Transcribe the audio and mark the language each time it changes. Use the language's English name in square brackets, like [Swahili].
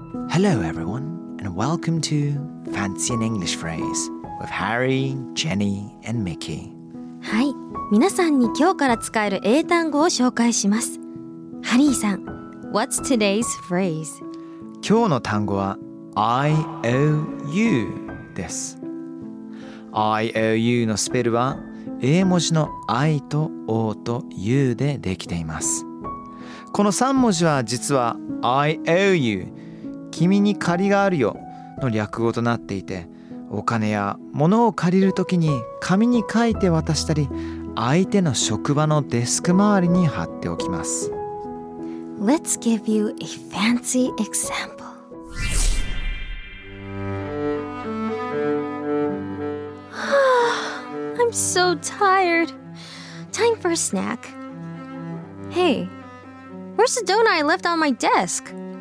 [English] Hello everyone, and welcome to Fancy an English Phrase with Harry, Jenny, and Mickey. [Japanese] はい、皆さんに今日から使える英単語を紹介します。ハリーさん、 [English] What's today's phrase? [Japanese] 今日の単語は IOU です。 IOU のスペルは A 文字の I と O と U でできています。この3文字は実は IOU、君に借りがあるよの略語となっていて、お金や物を借りるときに紙に書いて渡したり、相手の職場のデスク周りに貼っておきます。 [English] Let's give you a fancy example. I'm so tired. Time for a snack. Hey, where's the donut I left on my desk?